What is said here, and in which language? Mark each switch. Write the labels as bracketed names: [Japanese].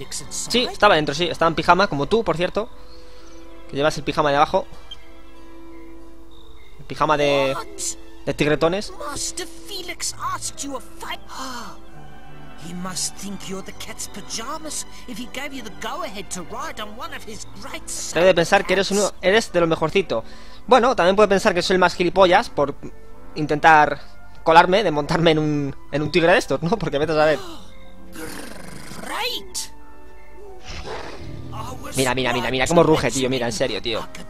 [Spanish] Sí, estaba dentro, sí. Estaba en pijama, como tú, por cierto. Que llevas el pijama de abajo. Pijama de... ¿Qué? De tigretones. [English] Master Felix asked you a fight. He must think you're the cat's pajamas if he gave you the go ahead to ride on one of his great saber cats. [Spanish] Debe pensar que eres de lo mejorcito. Bueno, también puede pensar que soy el más gilipollas por intentar colarme de montarme en un tigre de estos, ¿no? Porque vete a saber. [English] Great. [Spanish] Mira cómo ruge, tío. Mira, en serio, tío.